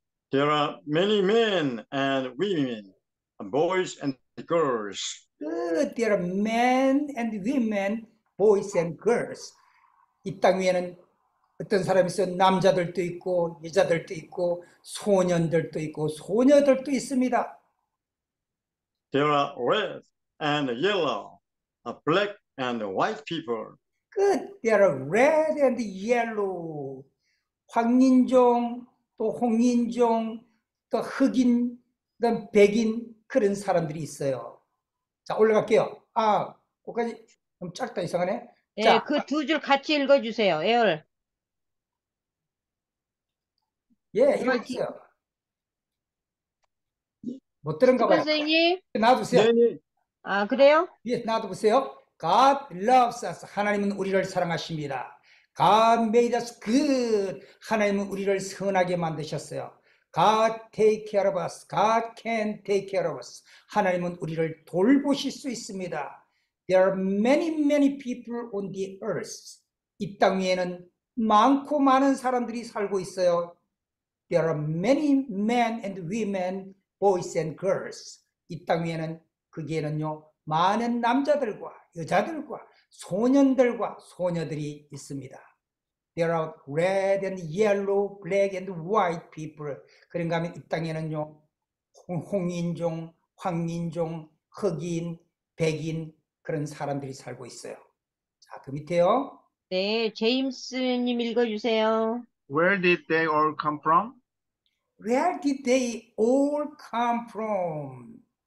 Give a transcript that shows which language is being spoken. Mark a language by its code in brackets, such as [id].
[en] There are many men and women, boys and girls. Good. There are men and women, boys and girls. [ko] 이땅 위에는 어떤 사람이 있어요? 남자들도 있고 여자들도 있고 소년들도 있고 소녀들도 있습니다. [en] There are red and yellow, black and white people. Good. There are red and yellow. [ko] 황인종 또 홍인종 또 흑인 또 백인 그런 사람들이 있어요. 자, 올라갈게요. 아, 거기까지 좀 작다 이상하네. 예, 그두줄 같이 읽어주세요. 에얼. 예, 그러면 뒤. 읽어주세요. 못 들은가 스티븐 봐요. 선생님. 놔두세요. 네. 아, 그래요? 예, 놔두세요. [en] God loves us. [ko] 하나님은 우리를 사랑하십니다. [en] God made us good. [ko] 하나님은 우리를 선하게 만드셨어요. [en] God take care of us. God can take care of us. [ko] 하나님은 우리를 돌보실 수 있습니다. [en] There are many people on the earth. [ko] 이땅 위에는 많고 많은 사람들이 살고 있어요. [en] There are many men and women, boys and girls. [ko] 이땅 위에는 거기에는요 많은 남자들과 여자들과 소년들과 소녀들이 있습니다. [en] There are red and yellow, black and white people. [ko] 그런가 하면 이 땅에는요 홍인종, 황인종, 흑인, 백인 그런 사람들이 살고 있어요. 자, 그 밑에요. 네, 제임스님 읽어주세요. [en] Where did they all come from? Where did they all come from?